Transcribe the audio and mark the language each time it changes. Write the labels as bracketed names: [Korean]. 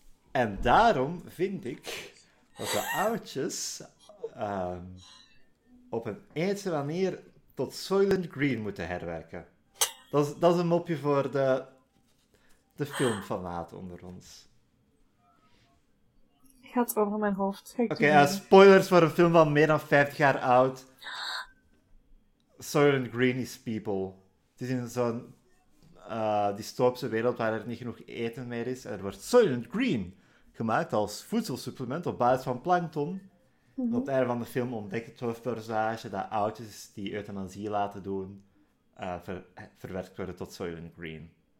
[Dutch] En daarom vind ik dat de oudjes op een eetse manier tot Soylent Green moeten herwerken. Dat is een mopje voor de film van Maat onder ons. Gaat over mijn hoofd. Oké, spoilers voor een film van meer dan 50 jaar oud. [English] Soylent Green is people. [Dutch] Het is in zo'n dystopische wereld waar er niet genoeg eten meer is. Er wordt Soylent Green gemaakt als voedselsupplement op basis van plankton. Mm-hmm. Op het einde van de film ontdekt het hoofdpersonage dat oudjes die euthanasie laten doen verwerkt worden tot Soylent Green.